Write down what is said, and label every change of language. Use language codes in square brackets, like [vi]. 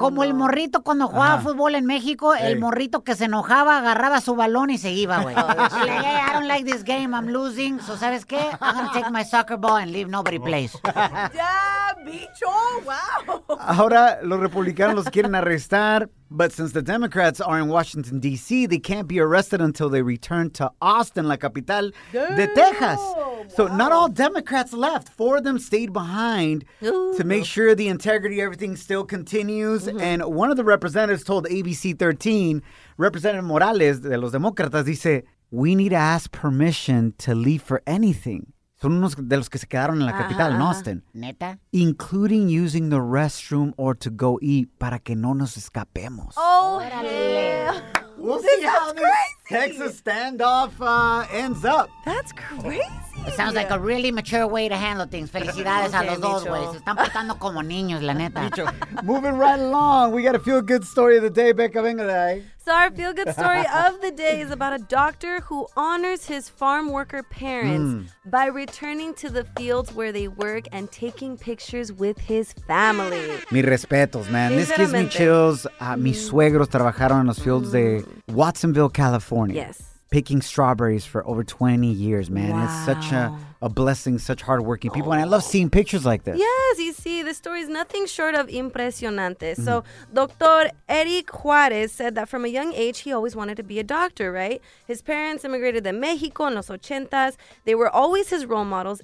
[es] Como el morrito cuando jugaba fútbol en México, el morrito que se enojaba, agarraba su balón y se iba, güey. [en] Like, hey, I don't like this game, I'm losing. So, [es] ¿sabes qué? [en] I'm going to take my soccer ball and leave nobody plays. Yeah, [es] bicho. Wow. Ahora los republicanos los quieren arrestar. [en] But since the Democrats are in Washington, D.C., they can't be arrested until they return to Austin, [es] la capital de Texas. [en] So wow. Not all Democrats left. Four of them stayed behind to make sure the integrity of everything still continues. Mm-hmm. And one of the representatives told ABC 13, Representative Morales [es] de los Demócratas, dice, [en] we need to ask permission to leave for anything. [es] Son unos de los que se quedaron en la capital, en Austin. ¿Neta? [en] Including using the restroom or to go eat [es] para que no nos escapemos. [en] Oh, we'll see how this Texas standoff ends up. That's crazy. It sounds like a really mature way to handle things. [es] Felicidades [en] okay, [es] a los Micho. Dos, güey. Se están portando como niños, la neta. [en] Moving right along, we got a feel-good story of the day, Becca, [es] venga de ahí. [en] So our feel-good story of the day is about a doctor who honors his farm worker parents by returning to the fields where they work and taking pictures with his family. [es] Mi respetos, [en] man. This gives me chills. [es] Mis suegros trabajaron en los fields de Watsonville, California. [en] Yes. Picking strawberries for over 20 years, man. Wow. It's such a blessing, such hardworking people. Oh. And I love seeing pictures like this. Yes, you see, the story is nothing short of impresionante. Mm-hmm. So Dr. Eric Juarez said that from a young age, he always wanted to be a doctor, right? His parents immigrated to Mexico in los 80s. They were always his role models.